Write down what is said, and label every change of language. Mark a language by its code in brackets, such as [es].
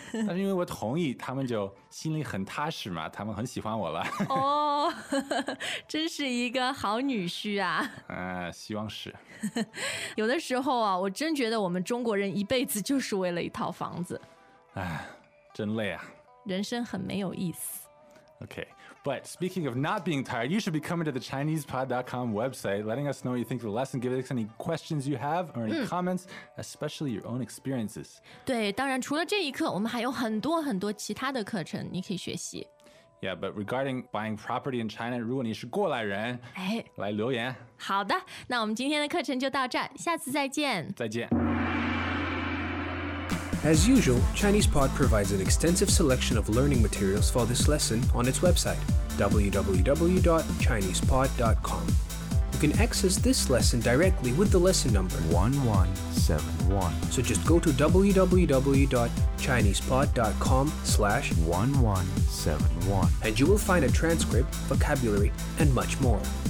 [zh] 但是因为我同意，他们就心里很踏实嘛，他们很喜欢我了。哦，呵呵，真是一个好女婿啊。希望是。有的时候啊，我真觉得我们中国人一辈子就是为了一套房子。哎，真累啊，人生很没有意思。 [en] OKBut speaking of not being tired, you should be coming to the ChinesePod.com website, letting us know what you think of the lesson, giving us any questions you have or any comments, especially your own experiences. [zh] 对，当然除了这一课，我们还有很多很多其他的课程你可以学习。 [en] Yeah, but regarding buying property in China, [zh] 如果你是过来人，哎，来留言。好的，那我们今天的课程就到这儿，下次再见。再见。 [en] As usual, ChinesePod provides an extensive selection of learning materials for this lesson on its website, www.chinesepod.com. You can access this lesson directly with the lesson number 1171. So just go to www.chinesepod.com/1171 and you will find a transcript, vocabulary, and much more.